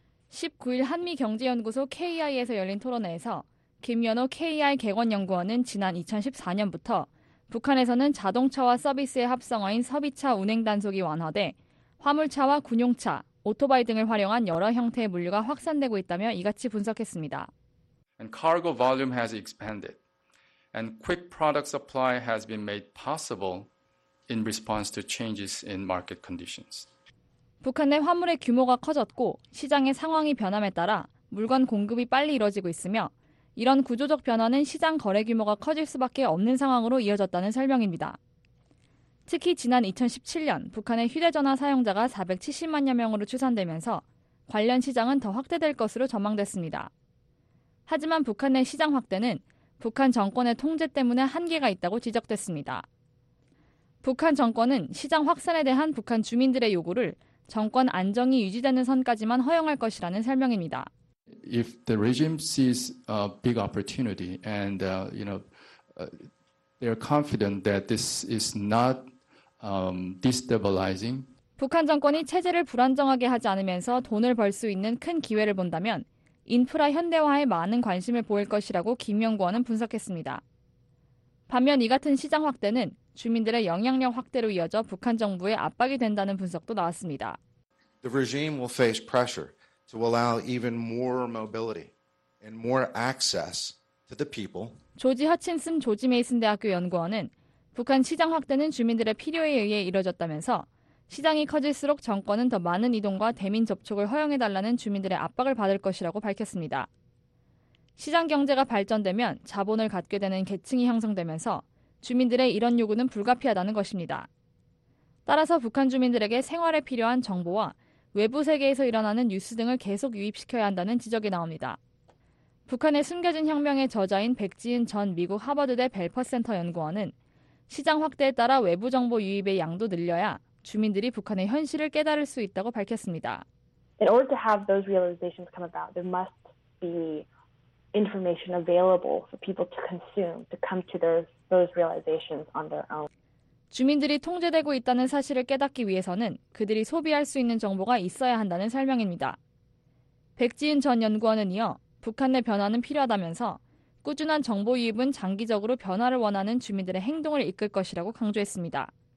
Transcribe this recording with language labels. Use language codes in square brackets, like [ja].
[ko] 19일 한미경제연구소 KI에서 열린 토론회에서 김연호 KI 객원연구원은 지난 2014년부터 북한에서는 자동차와 서비스의 합성어인 서비차 운행 단속이 완화돼 화물차와 군용차, 오토바이 등을 활용한 여러 형태의 물류가 확산되고 있다며 이같이 분석했습니다. [en] And cargo volume has expanded. And quick product supply has been made possible in response to changes in market conditions. [ko] 북한 내 화물의 규모가 커졌고 시장의 상황이 변함에 따라 물건 공급이 빨리 이루어지고 있으며 이런 구조적 변화는 시장 거래 규모가 커질 수밖에 없는 상황으로 이어졌다는 설명입니다. 특히 지난 2017년 북한의 휴대전화 사용자가 470만여 명으로 추산되면서 관련 시장은 더 확대될 것으로 전망됐습니다. 하지만 북한 내 시장 확대는 북한 정권의 통제 때문에 한계가 있다고 지적됐습니다. 북한 정권은 시장 확산에 대한 북한 주민들의 요구를 정권 안정이 유지되는 선까지만 허용할 것이라는 설명입니다. [en] If the regime sees a big opportunity and you know they are confident that this is not destabilizing. [ko] 북한 정권이 체제를 불안정하게 하지 않으면서 돈을 벌 수 있는 큰 기회를 본다면 인프라 현대화에 많은 관심을 보일 것이라고 김 연구원은 분석했습니다. 반면 이 같은 시장 확대는 주민들의 영향력 확대로 이어져 북한 정부에 압박이 된다는 분석도 나왔습니다. [en] The regime will face pressure to allow even more mobility and more access to the people. [ko] 조지 허친슨 조지 메이슨 대학교 연구원은 북한 시장 확대는 주민들의 필요에 의해 이뤄졌다면서 시장이 커질수록 정권은 더 많은 이동과 대민 접촉을 허용해달라는 주민들의 압박을 받을 것이라고 밝혔습니다. 시장 경제가 발전되면 자본을 갖게 되는 계층이 형성되면서 주민들의 이런 요구는 불가피하다는 것입니다. 따라서 북한 주민들에게 생활에 필요한 정보와 외부 세계에서 일어나는 뉴스 등을 계속 유입시켜야 한다는 지적이 나옵니다. 북한의 숨겨진 혁명의 저자인 백지은 전 미국 하버드대 벨퍼센터 연구원은 시장 확대에 따라 외부 정보 유입의 양도 늘려야 주민들이 북한의 현실을 깨달을 수 있다고 밝혔습니다. [en] In order to have those realizations come about, there must be information available for people to consume to come to those realizations on their own. [ko] 주민들이 통제되고 있다는 사실을 깨닫기 위해서는 그들이 소비할 수 있는 정보가 있어야 한다는 설명입니다. 백지은 전 연구원은 이어 북한 내 변화는 필요하다면서 꾸준한 정보 유입은 장기적으로 변화를 원하는 주민들의 행동을 이끌 것이라고 강조했습니다.